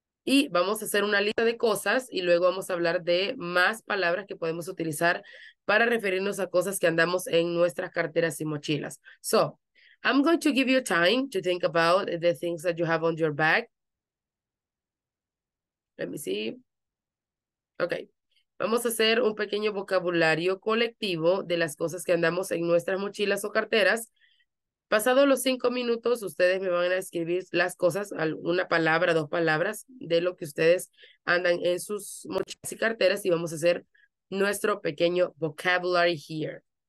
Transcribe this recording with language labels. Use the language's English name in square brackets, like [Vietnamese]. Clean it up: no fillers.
[Spanish] Y vamos a hacer una lista de cosas y luego vamos a hablar de más palabras que podemos utilizar para referirnos a cosas que andamos en nuestras carteras y mochilas. [English] So, I'm going to give you time to think about the things that you have on your bag. Let me see. Okay. [Spanish] Vamos a hacer un pequeño vocabulario colectivo de las cosas que andamos en nuestras mochilas o carteras. Pasados los 5 minutos, ustedes me van a escribir las cosas, una palabra, dos palabras, de lo que ustedes andan en sus mochilas y carteras, y vamos a hacer nuestro pequeño [English] vocabulary here.